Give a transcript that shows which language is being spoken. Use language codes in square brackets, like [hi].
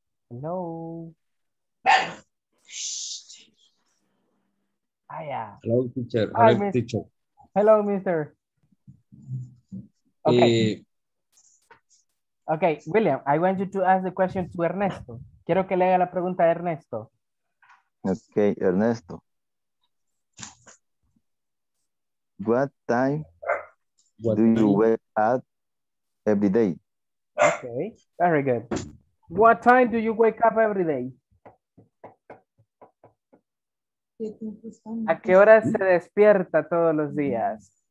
[en] Hello? Hello, teacher. Hi, hello, teacher. Hello, mister. Okay. Okay, William, I want you to ask the question to Ernesto. [es] Quiero que le haga la pregunta a Ernesto. [en] Okay, Ernesto. What time do you wake up every day? Okay, very good. What time do you wake up every day? [es] ¿A qué hora se despierta todos los días?